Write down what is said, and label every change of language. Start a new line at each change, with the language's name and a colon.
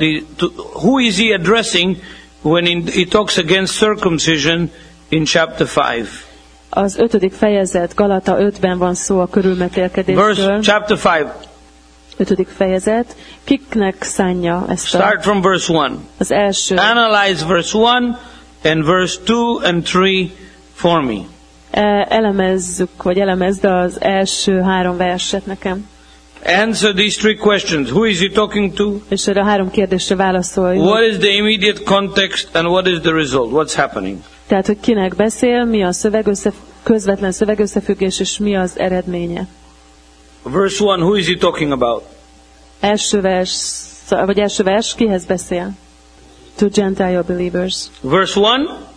English: Who is he addressing when he talks against circumcision in chapter 5?
Hungarian: Az ötödik fejezet, Galata 5-ben van szó a körülmetélkedésről.
English: Verse chapter 5.
Hungarian: Ötödik fejezet. Kiknek szánja ezt?
English: Start from verse 1.
Hungarian: Az első.
English: Analyze verse 1 and verse 2 and 3 for me.
Hungarian: Elemezzük, vagy elemezd az első három verset nekem.
English: Answer these three questions. Who is he talking to?
Hungarian: És erre a három kérdésre válaszolj.
English: What is the immediate context and what is the result? What's happening?
Hungarian: Tehát, hogy kinek beszél, mi a közvetlen szövegösszefüggés, és mi az eredménye?
English: Verse 1, who is he talking about?
Hungarian: Első vers, kihez beszél?
English: To Gentile believers. Verse 1?